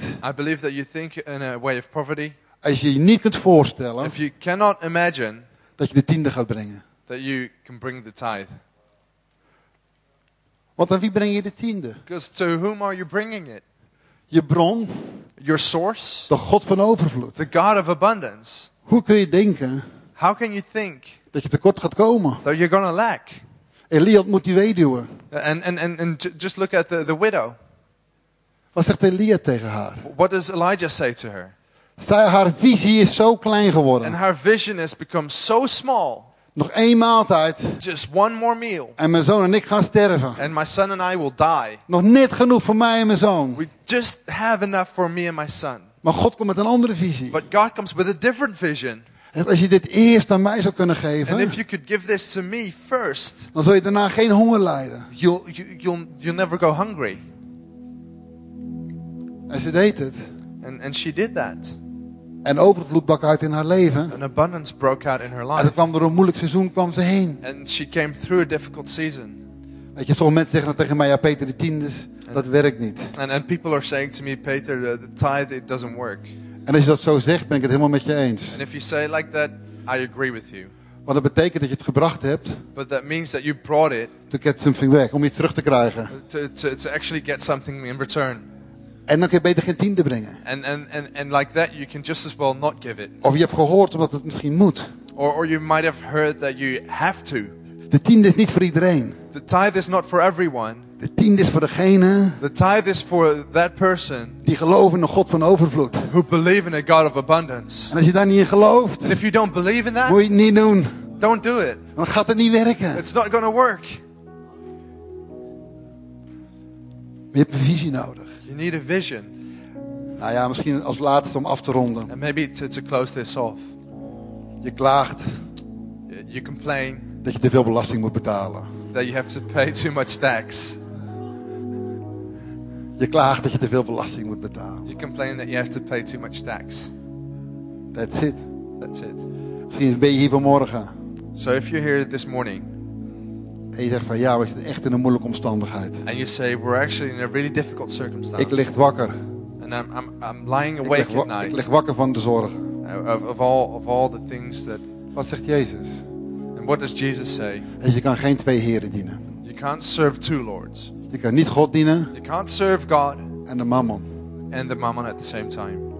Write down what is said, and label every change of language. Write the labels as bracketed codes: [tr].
[en] I believe that you think in a way of poverty. [nl] Als je niet kunt voorstellen. [en] If you cannot imagine. [nl] Dat je de tiende gaat brengen. [en] That you can bring the tithe. [nl] Want aan wie breng je de tiende? [en] Because to whom are you bringing it? [nl] Je bron. [en] Your source. [nl] De God van overvloed. [en] The God of abundance. [nl] Hoe kun je denken. [en] How can you think. [nl] Dat je tekort gaat komen. [en] That you're gonna lack. [nl] Elia ontmoet die weduwe. [en] And just look at the widow. [nl] Wat zegt Elia tegen haar? [en] What does Elijah say to her? [nl] Haar visie is zo klein geworden. [en] And her vision has become so small. [nl] Nog één maaltijd. [en] Just one more meal. [nl] En mijn zoon en ik gaan sterven. [en] And my son and I will die. [nl] Nog net genoeg voor mij en mijn zoon. [en] We just have enough for me and my son. [nl] Maar God komt met een andere visie. [en] But God comes with a different vision. [nl] Als je dit eerst aan mij zou kunnen geven. [en] And if you could give this to me first. [nl] Dan zou je daarna geen honger lijden. [en] You'll never go hungry. [nl] En ze deed het. [en] And she did that. [nl] En overvloed brak uit in haar leven. [en] An abundance broke out in her life. [nl] En ze kwam door een moeilijk seizoen kwam ze heen. [en] And she came through a difficult season. [nl] Weet je, sommige mensen zeggen tegen mij, ja Peter, de tiende, dat werkt niet. [en] And people are saying to me, Peter, the tithe, it doesn't work. [nl] En als je dat zo zegt, ben ik het helemaal met je eens. [en] And if you say it like that, I agree with you. [nl] Want dat betekent dat je het gebracht hebt. [en] But that means that you brought it. To get something back, [nl] om iets terug te krijgen. [en] To actually get something in return. [nl] En dan kun je beter geen tiende brengen. [en] And like that you can just as well not give it. [nl] Of je hebt gehoord omdat het misschien moet. [en] Or you might have heard that you have to. [nl] De tiende is niet voor iedereen. [en] The tithe is not for everyone. [nl] De tiende is voor degene. [en] The tithe is for that person. [nl] Die geloven in een God van overvloed. [en] Who believe in a God of abundance. [nl] En als je daar niet in gelooft. [en] And if you don't believe in that. [nl] Moet je het niet doen. [en] Don't do it. [nl] Dan gaat het niet werken. [en] It's not going to work. [nl] Je hebt een visie nodig. [en] You need a vision. [nl] Nou ja, misschien als laatste om af te ronden. [en] And maybe to close this off. [nl] Je klaagt. [en] You complain. [nl] Dat je te veel belasting moet betalen. [en] That you have to pay too much tax. [nl] Je klaagt dat je te veel belasting moet betalen. [en] You complain that you have to pay too much tax. That's it. That's it. [nl] Misschien ben je hier vanmorgen. [en] So if you're here this morning. [nl] En je zegt van ja, we zitten echt in een moeilijke omstandigheid. [en] And you say we're actually in a really difficult circumstance. [nl] Ik lig wakker. [en] And I'm lying awake at night. [nl] Ik lig wakker van de zorgen. [en] Of all the things that. [nl] Wat zegt Jezus? [en] And what does Jesus say? [nl] En je kan geen twee heren dienen. [en] You can't serve two lords. [nl] Je kan niet God dienen. [en] You can't serve God. [nl] En de mammon. [en] And the mammon at the same time.